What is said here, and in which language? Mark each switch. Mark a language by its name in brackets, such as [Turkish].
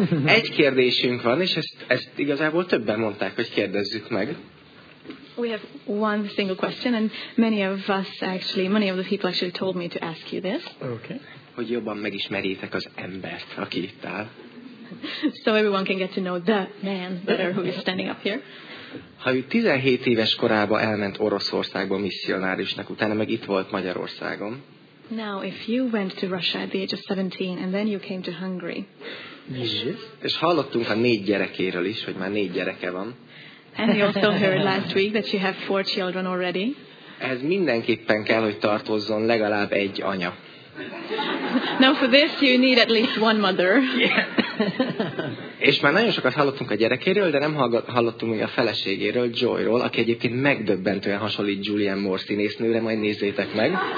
[Hungarian] Egy kérdésünk van, és ezt igazából többen mondták, hogy kérdezzük meg. [English] We have one single question, and many of the people actually told me to ask you this. Okay. [Hungarian] Hogy jobban megismerjétek az embert, aki itt áll. [English] So everyone can get to know the man better who is standing up here. [Hungarian] Ha ő 17 éves korában elment Oroszországba misszionárisnak, utána meg itt volt Magyarországon. [English] Now, if you went to Russia at the age of 17 and then you came to Hungary. Yes. [Hungarian] És hallottunk a négy gyerekéről is, hogy már négy gyereke van. [English] And we also heard last week that you have four children already. [Hungarian] Ez mindenképpen kell, hogy tartozzon legalább egy anya. [English] Now, for this you need at least one mother. Yeah. [Hungarian] És már nagyon sokat hallottunk a gyerekéről, de nem hallottunk még a feleségéről, Joyról, aki egyébként megdöbbentően hasonlít Julianne Moore színésznőre, majd nézzétek meg.